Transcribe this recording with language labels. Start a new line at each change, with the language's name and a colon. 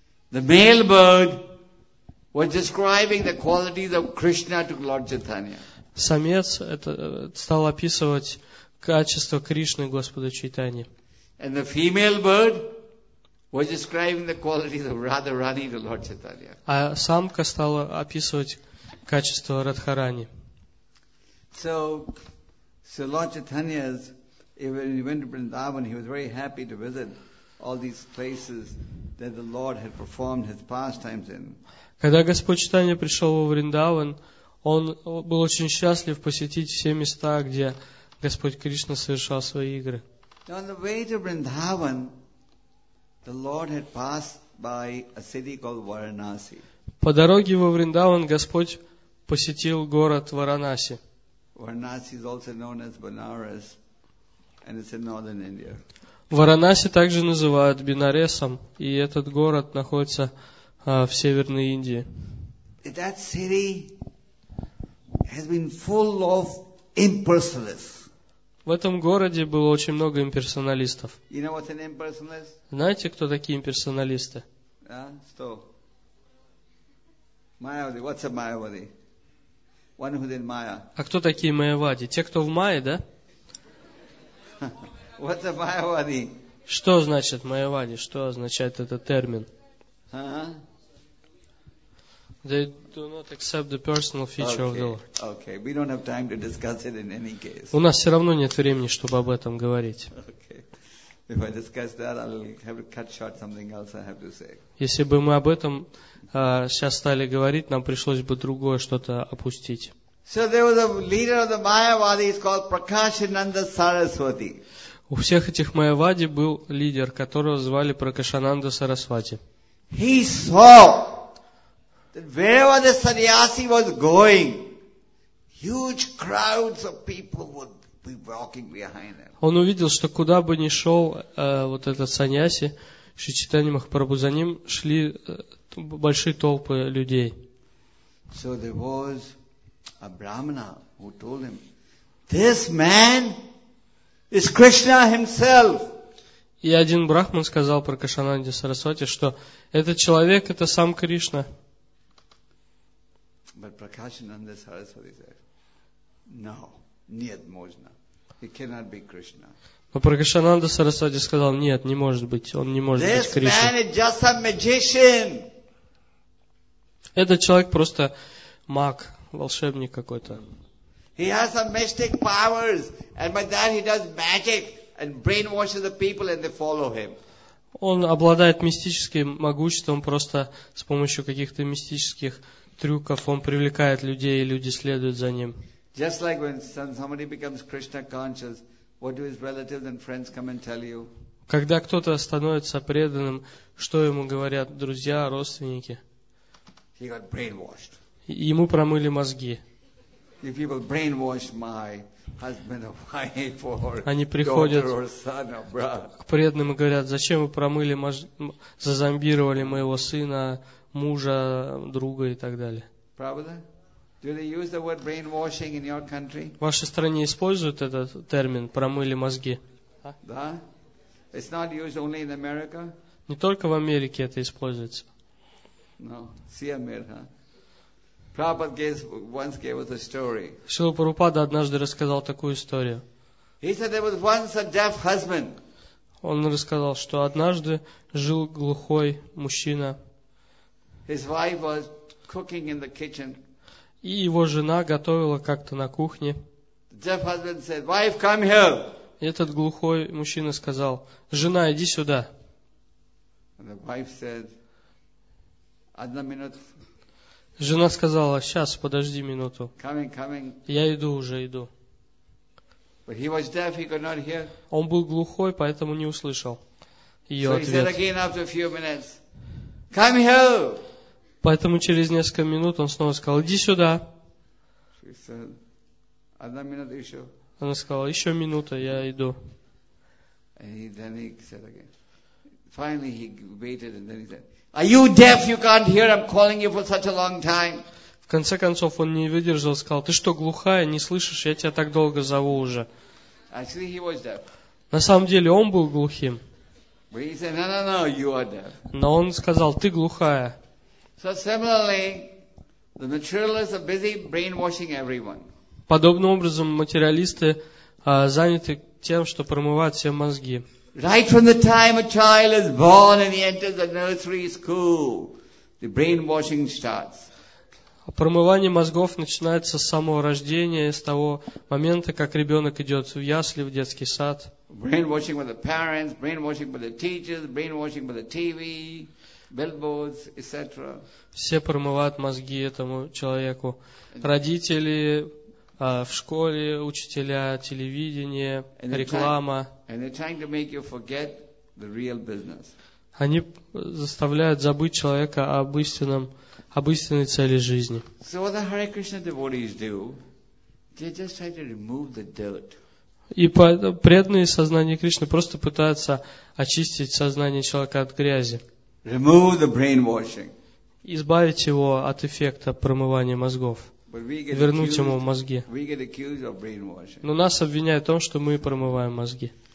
English: The male bird was describing the qualities of Krishna to Lord Chaitanya.
Russian: Самец это стал описывать качество Кришны Господа Чайтанья.
English: And the female bird was describing the qualities of Radharani to Lord Chaitanya.
Russian: А самка стала описывать качество Радхарани.
English: So Lord Chaitanya's even when he went to Vrindavan, he was very happy to visit all these places that the Lord had performed his pastimes in.
Russian: Когда Господь Читания пришел во Вриндаван, он был очень счастлив посетить все места, где Господь Кришна совершал свои игры.
English: Now, on the way to Vrindavan, the Lord had passed by a city called Varanasi.
Russian: По дороге во Вриндаван Господь посетил город Варанаси.
English: Varanasi is also known as Banaras, and it's in northern India.
Russian: Варанаси также называют Бинаресом, и этот город находится в северной Индии.
English: That city has been full of impersonalists.
Russian: В этом городе было очень много имперсоналистов.
English: You know what's an impersonalist?
Russian: Знаете, кто такие имперсоналисты? Что?
English: Майявади. What's a Майявади? One who's in Maya.
Russian: А кто такие Майявади? Те, кто в Майе, да?
English: What's a Mayavadi?
Russian: Что значит Майявади? Что означает этот термин?
English: They do not accept the personal feature okay. of the Lord. Okay. We don't have time to discuss it in any case.
Russian: У нас все равно нет времени, чтобы об этом говорить.
English: Okay. If I discuss that, I'll have to cut short something else I have to say.
Russian: Если бы мы об этом сейчас стали говорить, нам пришлось бы другое что-то опустить.
English: So there was a leader of the Mayavadi called Prakashananda Saraswati.
Russian: У всех этих Майявади был лидер, которого звали Пракашананда Сарасвати.
English: He saw that wherever the sannyasi was going, huge crowds of people would be walking behind him.
Russian: Он увидел, что куда бы ни шел вот этот саньяси, Шри Чайтанья Махапрабху, за ним шли большие толпы людей.
English: So there was a brahmana who told him, this man is Krishna himself.
Russian: И один брахман сказал про Кашананде Сарасвати, что этот человек — это сам Кришна.
English: But Prakashananda Saraswati said, no,
Russian: нет, можно.
English: He cannot be Krishna.
Russian: Но Пракашананда Сарасвати сказал, нет, не может быть, он не может
English: this
Russian: быть Кришна.
English: This man is just a magician.
Russian: Этот человек просто маг, волшебник какой-то.
English: He has some mystic powers, and by that he does magic and brainwashes the people and they follow him.
Russian: Он обладает мистическим могуществом, просто с помощью каких-то мистических трюков он привлекает людей, и люди следуют за ним.
English: Just like when somebody becomes Krishna conscious, what do his relatives and friends come and tell you?
Russian: Когда кто-то становится преданным, что ему говорят друзья, родственники?
English: He got brainwashed.
Russian: Ему промыли мозги.
English: If people brainwash my husband or wife or
Russian: они приходят
English: daughter or son or brother.
Russian: К преданным и говорят, зачем вы промыли, зазомбировали моего сына, мужа, друга и так далее. Правда?
English: Do they use the word brainwashing in your country?
Russian: В вашей стране используют этот термин, промыли мозги? Да?
English: It's not used only in America?
Russian: Не только в Америке это используется.
English: No. See America. Prabhupada once gave us a story.
Russian: Шрила Прабхупада однажды рассказал такую историю.
English: He said there was once a deaf husband.
Russian: Он рассказал, что однажды жил глухой мужчина.
English: His wife was cooking in the kitchen.
Russian: И его жена готовила как-то на кухне.
English: The deaf husband said, "Wife, come here."
Russian: И этот глухой мужчина сказал, жена, иди сюда.
English: And the wife said,
Russian: "Одна минута." Жена сказала, сейчас, подожди минуту.
English: Coming, coming.
Russian: Я иду, уже иду.
English: But he was deaf, he could not hear.
Russian: Он был глухой, поэтому не услышал ее
English: so
Russian: ответ.
English: He said again after a few minutes, come here.
Russian: Поэтому через несколько минут он снова сказал, иди сюда.
English: She said,
Russian: одна минута еще. Она сказала, еще минута, я иду.
English: And then he said again. Finally he waited and then he said, are you deaf? You can't hear. I'm calling you for such a long time.
Russian: В конце концов он не выдержал, сказал: "Ты что, глухая, не слышишь? Я тебя так долго зову уже."
English: Actually, he was deaf.
Russian: На самом деле он был глухим.
English: But he said, "No, no, no, you are deaf."
Russian: Но он сказал: "Ты глухая."
English: So similarly, the materialists are busy brainwashing everyone.
Russian: Подобным образом материалисты заняты тем, что промывают все мозги.
English: Right from the time a child is born and he enters the nursery school, the brainwashing starts.
Russian: Промывание мозгов начинается с самого рождения, с того момента, как ребенок идет в ясли, в детский сад.
English: Brainwashing by the parents, brainwashing by the teachers, brainwashing by the TV, billboards, etc.
Russian: Все промывают мозги этому человеку. Родители, в школе, учителя, телевидение, реклама.
English: And they're trying to make you forget the real business.
Russian: Они заставляют забыть человека об истинной цели жизни.
English: So what the Hare Krishna devotees do, they just try to remove the dirt.
Russian: И преданные сознания Кришны просто пытаются очистить сознание человека от грязи.
English: Remove the brainwashing.
Russian: Избавить его от эффекта промывания мозгов. Вернуть ему мозги.
English: We get accused of brainwashing.
Russian: Но нас обвиняют в том, что мы промываем мозги.